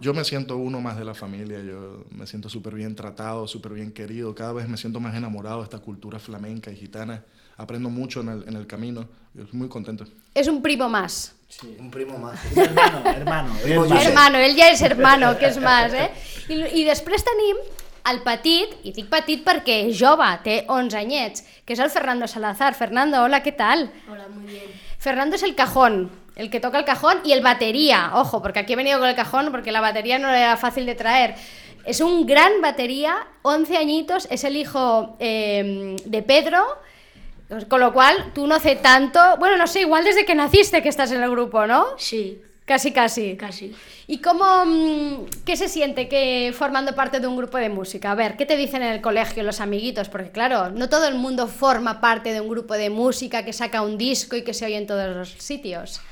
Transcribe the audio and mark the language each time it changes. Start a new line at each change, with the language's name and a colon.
Spanish: Yo me siento uno más de la familia, yo me siento súper bien tratado, súper bien querido, cada vez me siento más enamorado de esta cultura flamenca y gitana. Aprendo mucho en el camino. Estoy muy contento. Es un primo más. Sí, un primo más. Hermano. Él ya es hermano, que es más, ¿eh?
Catalan: I després tenim el petit, i dic petit perquè és jove, té 11 anyets, que és el Fernando Salazar. Fernando, hola, què tal?
Spanish: Hola, muy bien.
Catalan: Fernando és el cajón, el que toca el cajón i el bateria.
Spanish: Ojo, perquè aquí he venido con el cajón perquè la bateria no era fácil de traer.
Catalan: És un gran bateria,
Spanish: 11 añitos,
Catalan: és
Spanish: el hijo de Pedro. Con lo cual, tú no hace tanto... Bueno, no sé, igual desde que naciste que estás en el grupo, ¿no? Sí. Casi, casi. Casi. ¿Y cómo... qué se siente que formando parte de un grupo de música? A ver, ¿qué te dicen en el colegio los amiguitos? Porque claro, no todo el mundo forma parte de un grupo de música que saca un disco y que se oye en todos los sitios.